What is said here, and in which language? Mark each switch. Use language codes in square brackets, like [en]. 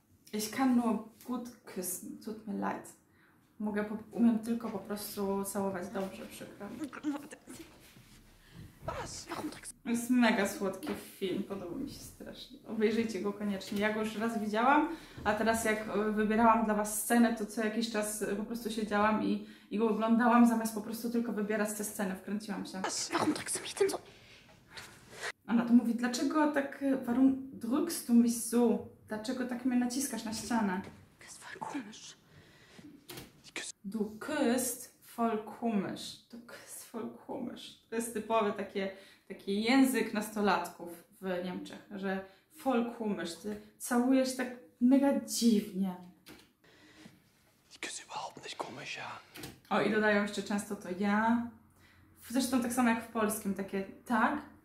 [de] Ich kann nur gut küssen, tut mir leid. [pl] Umiem tylko po prostu całować, dobrze, przykro. Jest mega słodki film, podoba mi się strasznie. Obejrzyjcie go koniecznie. Ja go już raz widziałam, a teraz jak wybierałam dla was scenę, to co jakiś czas po prostu siedziałam i go oglądałam, zamiast po prostu tylko wybierać tę scenę, wkręciłam się. Ona to mówi, dlaczego tak [de] warum drückst du mich so? [pl] Dlaczego tak mnie naciskasz na ścianę? [de] Du küsst voll komisch. Du küsst voll komisch. [pl] To jest typowy taki język nastolatków w Niemczech, że [de] voll komisch. [pl] Ty całujesz tak mega dziwnie. [de] Ich küsse überhaupt nicht komisch, ja. [pl] O, i dodają jeszcze często to ja. Zresztą tak samo jak w polskim, takie tak.